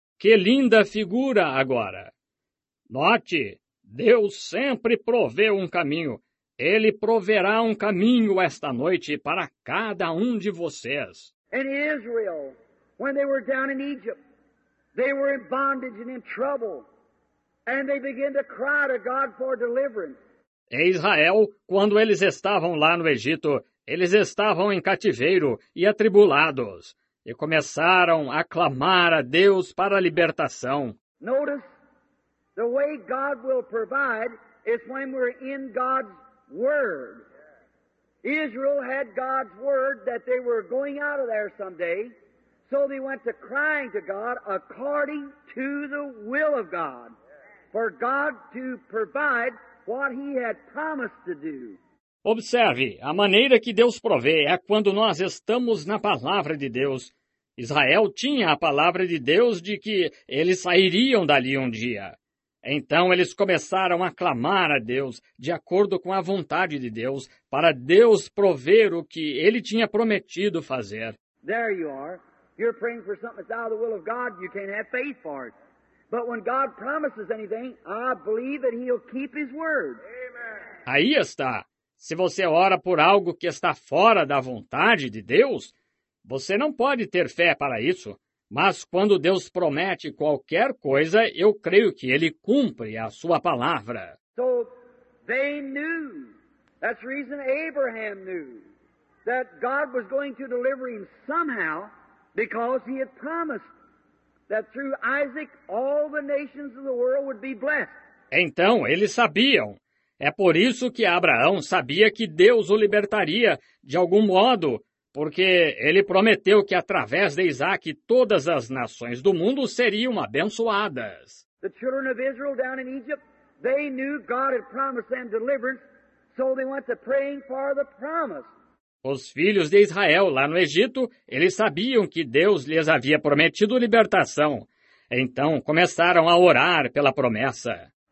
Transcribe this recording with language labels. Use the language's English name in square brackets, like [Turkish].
[Portuguese] Que linda figura agora. Note, Deus sempre proveu um caminho. Ele proverá um caminho esta noite para cada um de vocês. [English] And Israel, when they were down in Egypt, they were in bondage and in trouble. And they began to cry to God for deliverance. [Portuguese] E Israel, quando eles estavam lá no Egito, eles estavam em cativeiro e atribulados, e começaram a clamar a Deus para a libertação. [English] Notice, the way God will provide is when we're in God's Word. Israel had God's Word that they were going out of there someday, so they went to crying to God according to the will of God, for God to provide what he had promised to do. [Portuguese] Observe, a maneira que Deus provê é quando nós estamos na palavra de Deus. Israel tinha a palavra de Deus de que eles sairiam dali um dia. Então eles começaram a clamar a Deus, de acordo com a vontade de Deus, para Deus prover o que ele tinha prometido fazer. [English] There you are. You're praying for something that's out of the will of God, you can't have faith for it. But when God promises anything, I believe that he'll keep his word. [Portuguese] Amen. Aí está. Se você ora por algo que está fora da vontade de Deus, você não pode ter fé para isso. Mas quando Deus promete qualquer coisa, eu creio que ele cumpre a sua palavra. [English] So they knew. That's the reason Abraham knew that God was going to deliver him somehow because he had promised that through Isaac, all the nations of the world would be blessed. [Portuguese] Então, eles sabiam. É por isso que Abraão sabia que Deus o libertaria, de algum modo, porque ele prometeu que através de Isaac, todas as nações do mundo seriam abençoadas. [English] The children of Israel down in Egypt, they knew God had promised them deliverance, so they went to praying for the promise. [Portuguese] Os filhos de Israel, lá no Egito, eles sabiam que Deus lhes havia prometido libertação. Então, começaram a orar pela promessa.